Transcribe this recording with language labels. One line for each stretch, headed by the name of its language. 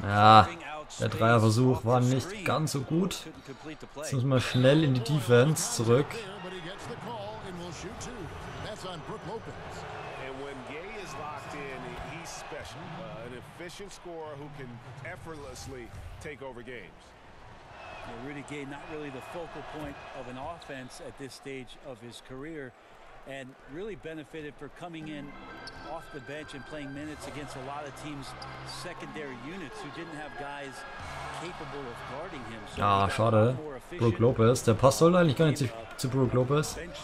German: Ja, der Dreierversuch war nicht ganz so gut. Jetzt müssen wir schnell in die Defense zurück.
English: But he gets the call and will shoot two. That's on Brook Lopez. And when Gay is locked in, he's special. An efficient scorer who can effortlessly take over games. Rudy Gay, not really the focal point of an offense at this stage of his career. And really benefited for coming in off the bench and playing minutes against a lot of teams' secondary units who didn't have guys capable of guarding him.
German: So ah, schade. Brook Lopez, der Pass sollte eigentlich gar nicht zu Brook Lopez.